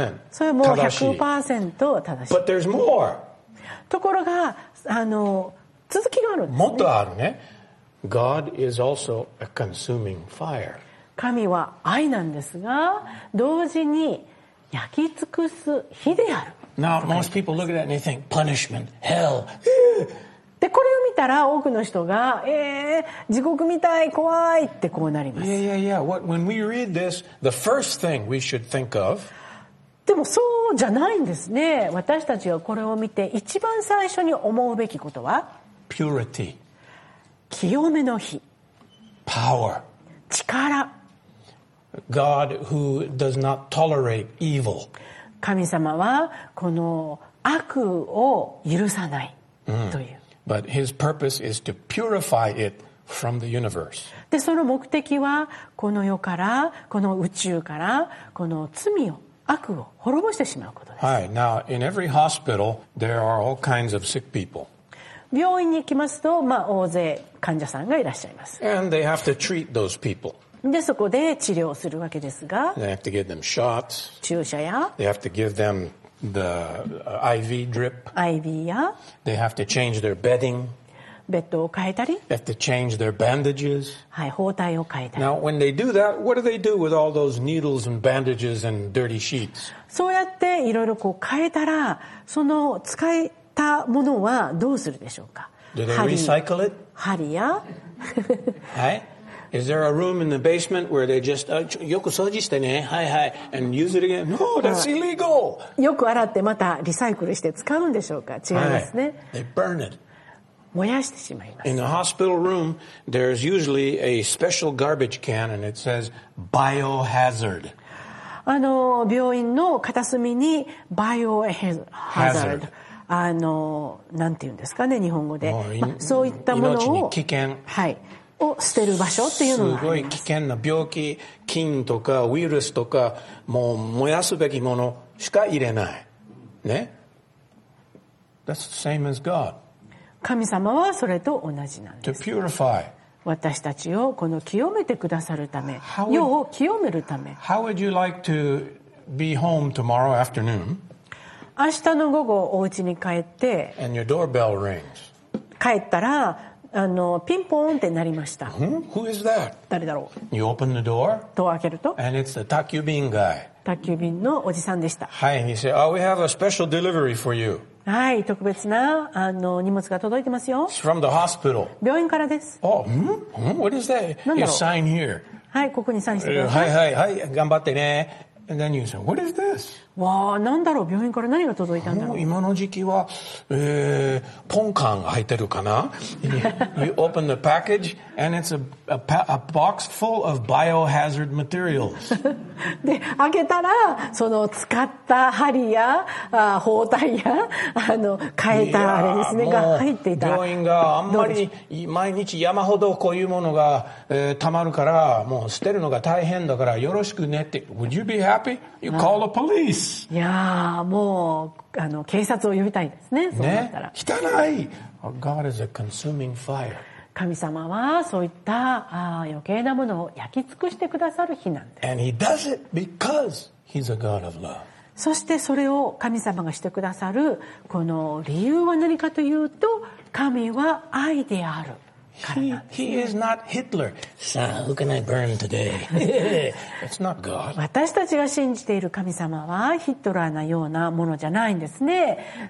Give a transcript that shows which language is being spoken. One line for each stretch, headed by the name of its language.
Japanese: はい。それはもう 100% 正しい。
English: But there's more.
Japanese: ところが、続きがあるんですね。もっとあるね。
English: God is also a consuming fire.
Japanese: 神は愛なんですが、同時に焼き尽くす火である。
English: Now, most people look at that and they think, punishment, hell.
Japanese: で、これを見たら多くの人が、地獄みたい、怖いってこうなります。
English: Yeah, yeah, yeah. What, when we read this, the first thing we should think of.
Japanese: でもそうじゃないんですね。私たちがこれを見て一番最初に思うべきことは
English: purity.
Japanese: 清めの火。
English: power.
Japanese: 力。
English: God who does not tolerate evil.
Japanese: 神様はこの悪を許さないという。 Mm.
English: But his purpose is to purify it from the universe.
Japanese: で、その目的はこの世から、この宇宙から、この罪を、悪を滅ぼしてしまうことです。はい。
English: Now, in every hospital, there are all kinds of sick people.
Japanese: 病院に行きますと、まあ、大勢患者さんがいらっしゃいます。
English: And they have to treat those people.
Japanese: でそこで治療するわけですが、
English: they have to give them shots,
Japanese: 注射や、
English: they have to give them the IV drip,
Japanese: IV や、
English: they have to change their bedding,
Japanese: ベッドを変えたり、
English: they have to change their bandages,
Japanese: はい、包帯を変えたり。
English: Now when they do that, what do they do with all those needles and bandages and dirty sheets?
Japanese: そうやっていろいろこう変えたら、その使えたものはどうするでしょうか。
English: Do they recycle it?
Japanese: 針や、
English: はい。Is there a room in the basement where they just,
Japanese: よく掃除してね、はいはい、
English: and use it again? No, that's illegal!
Japanese: よく洗ってまたリサイクルして使うんでしょうか？違いますね。
English: はい、they burn it.
Japanese: 燃やしてしまいます。
English: In the hospital room, there's usually a special garbage can and it says biohazard.
Japanese: 病院の片隅に biohazard。なんて言うんですかね、日本語で。そういったものを。命に危険。はい。を捨てる場所っていうのがあります。すごい危険な病気、菌とかウイルスとか、もう燃やすべきものしか入れない。
English: ね。That's the same as God.
Japanese: 神様はそれと同じなんです。
English: To purify.
Japanese: 私たちをこの清めてくださるため、世を清めるため。
English: How would you like to be home tomorrow afternoon?
Japanese: 明日の午後お家に帰って、
English: And your doorbell rings.
Japanese: 帰ったら、ピンポーンって鳴りました。
English: Who is that?
Japanese: 誰だろう。
English: You open the door.
Japanese: ドア開けると。
English: And it's the 宅急便 guy.
Japanese: 宅急便のおじさんでした。はい。
English: He said, "Oh, we have a special delivery for you."
Japanese: はい。特別な荷物が届いてますよ。
English: It's from the hospital.
Japanese: 病院からです。
English: Oh, hmm? What is that? You sign here.
Japanese: はい。ここにサインしてください。
English: はいはいはい。
Japanese: 頑張ってね。
English: And then you say, "What is this?"
Japanese: わあ、なんだろう。病院から何が届いたんだろう。今の時期は、ポンカンが入ってるかな。 You open the package and it's a box full of biohazard materials. で、開けたらその使った針や包帯や変えたあれですねが入っていた。病院があんまり毎日山ほどこういうものが、溜まるから、もう捨てるのが大変だからよろしくねって。
English: Would you be happy? You call the police.
Japanese: いやもう警察を呼びたいですね。そうだったら、ね、汚い。
English: God is a consuming fire.
Japanese: 神様はそういった余計なものを焼き尽くしてくださる日なんです。
English: And he does it because he's a God of love.
Japanese: そしてそれを神様がしてくださるこの理由は何かというと、神は愛であるからなんです。
English: he is not Hitler. So who can I burn today? It's not God.
Japanese: 私たちが信じている神様はヒットラーなようなものじゃないんですね。